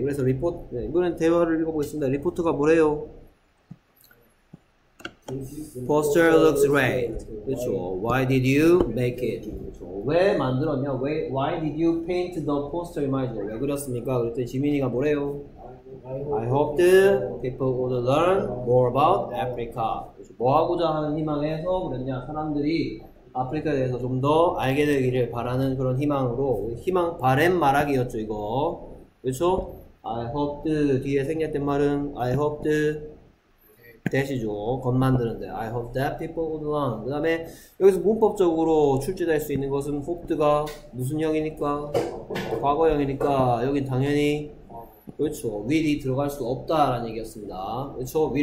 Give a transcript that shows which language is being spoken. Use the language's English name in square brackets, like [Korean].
[Korean] 그래서 리포트, 네, 이번엔 대화를 읽어보겠습니다. 리포트가 뭐래요? [English] This Poster looks poster looks great. great. [Korean] 그렇죠. [English] Why did you make it? [Korean] 그렇죠. 왜 만들었냐? [English] Why did you paint the poster image? [Korean] 왜 그렸습니까? 그랬더니 지민이가 뭐래요? [English] I hope the people would learn more about Africa. [Korean] 그렇죠. 뭐 하고자 하는 희망에서 그랬냐? 사람들이 아프리카에 대해서 좀더 알게 되기를 바라는 그런 희망으로 희망 바램 말하기였죠 이거 그렇죠? [English] I hope the [Korean] 뒤에 생략된 말은 [English] I hope the [Korean] 대시죠 겉 만드는데 [English] I hope that people would learn [Korean] 그 다음에 여기서 문법적으로 출제될 수 있는 것은 hope가 무슨 형이니까 과거형이니까 여긴 당연히 그렇죠 [English] will [Korean] 이 들어갈 수 없다라는 얘기였습니다 그렇죠?